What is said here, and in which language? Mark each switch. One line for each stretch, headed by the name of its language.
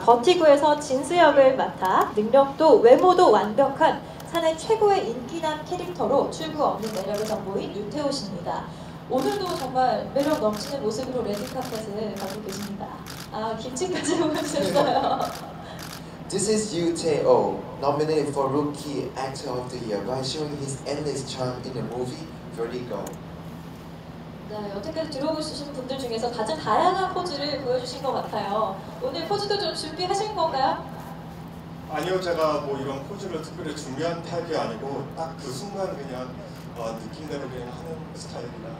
Korean: 버티고에서 진수 역을 맡아 능력도 외모도 완벽한 사내 최고의 인기남 캐릭터로 출구 없는 매력을 선보인 류태호 씨입니다. 오늘도 정말 매력 넘치는 모습으로 레드 카펫을 가고 계십니다. 아, 김치까지 먹으셨어요.
English: This is Yoo Tae-oh, nominated for Rookie Actor of the Year by showing his endless charm in the movie Vertigo.
Korean: 네, 여태까지 들어오신 분들 중에서 가장 다양한 포즈를 보여주신 것 같아요. 오늘 포즈도 좀 준비하신 건가요? 아니요, 제가 뭐 이런 포즈를 특별히 준비한 타입이 아니고 딱 그 순간 그냥 느낌대로 그냥 하는 스타일입니다.